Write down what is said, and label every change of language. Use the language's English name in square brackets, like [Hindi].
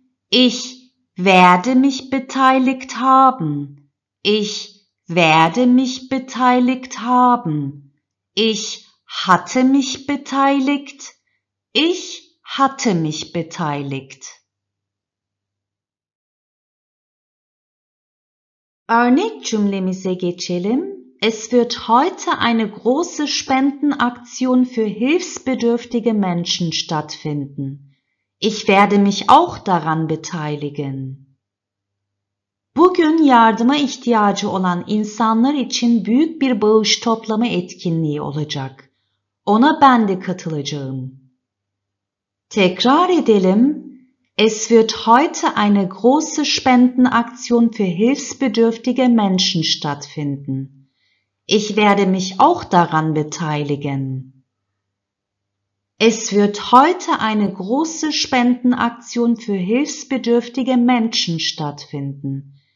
[German] Ich werde mich beteiligt haben. Ich werde mich beteiligt haben. Ich hatte mich beteiligt. Ich hatte mich beteiligt. [Turkish] Örnek cümlemize geçelim. [German] Es wird heute eine große Spendenaktion für hilfsbedürftige Menschen stattfinden. Ich werde mich auch daran beteiligen. [Turkish] Bugün yardıma ihtiyacı olan insanlar için büyük bir bağış toplama etkinliği olacak. Ona ben de katılacağım. Tekrar edelim. [German] Es wird heute eine große Spendenaktion für hilfsbedürftige Menschen stattfinden. Ich werde mich auch daran beteiligen. Es wird heute eine große Spendenaktion für hilfsbedürftige Menschen stattfinden.